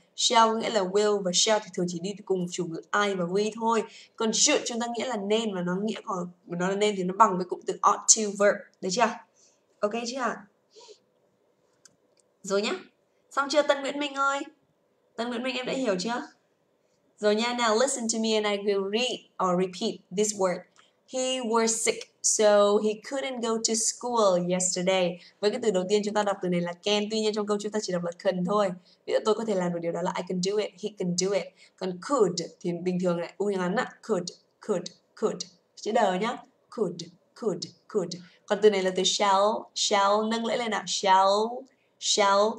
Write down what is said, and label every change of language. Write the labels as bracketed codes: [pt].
[vi] Shall nghĩa là will và shall thì thường chỉ đi cùng chủ ngữ I và we thôi. Còn should chúng ta nghĩa là nên, và nó nghĩa của nó là nên thì nó bằng với cụm từ ought to verb. Được chưa? Ok chưa ạ? Rồi nhá. Xong chưa Tân Nguyễn Minh ơi? Tân Nguyễn Minh em đã hiểu chưa? Rồi nha, [en] now listen to me and I will read or repeat this word. He was sick, so he couldn't go to school yesterday. [vi] Với cái từ đầu tiên chúng ta đọc từ này là can, tuy nhiên trong câu chúng ta chỉ đọc là can thôi. Ví dụ tôi có thể làm được điều đó là [en] I can do it, he can do it. [vi] Còn could thì bình thường lại u ngắn á, could. Chữ đờ nhá, could. Còn từ này là từ shall, nâng lưỡi lên ạ, shall.